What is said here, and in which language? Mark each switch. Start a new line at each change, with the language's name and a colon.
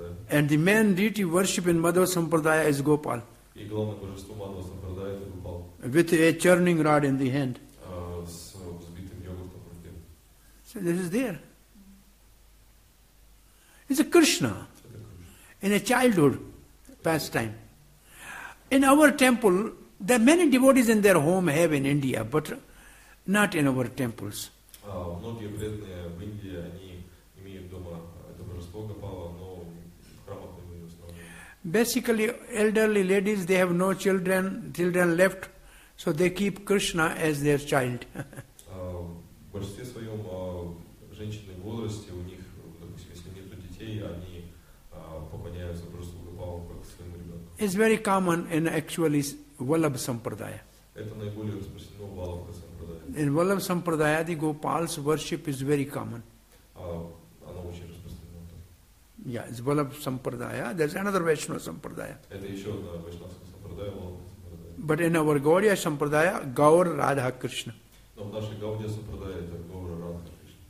English: And the main deity worship in Madhva Sampradaya is Gopal.
Russian: И главное божество Мадхва Сампрадая это Гопал.
English: With a churning rod in the hand.
Russian: С взбитым йогуртом в руке.
English: So this is there. It's a Krishna. In a childhood pastime. In our temple, there are many devotees in their home have in India, but not in our temples.
Russian: Многие преданные в Индии, они имеют дома это божество Гопала, но храмов не устроено.
English: Basically, elderly ladies, they have no children left, so they keep Krishna as their child.
Russian: В большинстве своем женщины в возрасте, у них, допустим, если нет детей, они поклоняются божеству Гопала как своему ребенку.
English: It's very common in actually Vallabh Sampradaya.
Russian: Это наиболее распространено в Vallabh Sampradaya.
English: In Vallabh Sampradaya, the Gopal's worship is very common.
Russian: Оно очень распространено.
English: Yeah, it's Vallabh Sampradaya. There's another Vaishnava Sampradaya.
Russian: Это еще одна Vaishnava Sampradaya, Vallabh Sampradaya.
English: But in our Gaudiya Sampradaya, Gaur Radha Krishna.
Russian: Но в нашей Gaudiya Sampradaya это Gaur Radha Krishna.